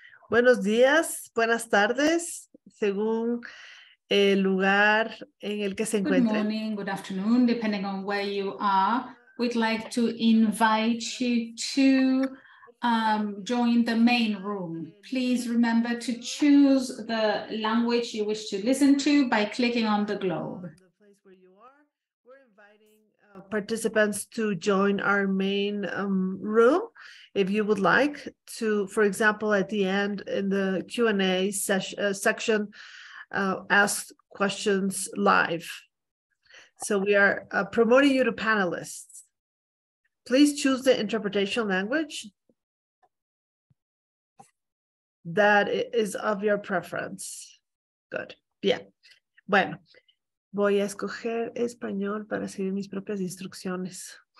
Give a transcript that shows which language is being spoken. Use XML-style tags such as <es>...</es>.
<es>Buenos días, buenas tardes, según el lugar en el que se encuentren.</es> <en>Good morning, good afternoon, depending on where you are. We'd like to invite you to join the main room. Please remember to choose the language you wish to listen to by clicking on the globe. The place where you are, we're inviting participants to join our main room. If you would like to, for example, at the end in the Q&A section, ask questions live. So we are promoting you to panelists. Please choose the interpretation language that is of your preference. Good.</en> <es>Bien. Bueno, voy a escoger español para seguir mis propias instrucciones.</es>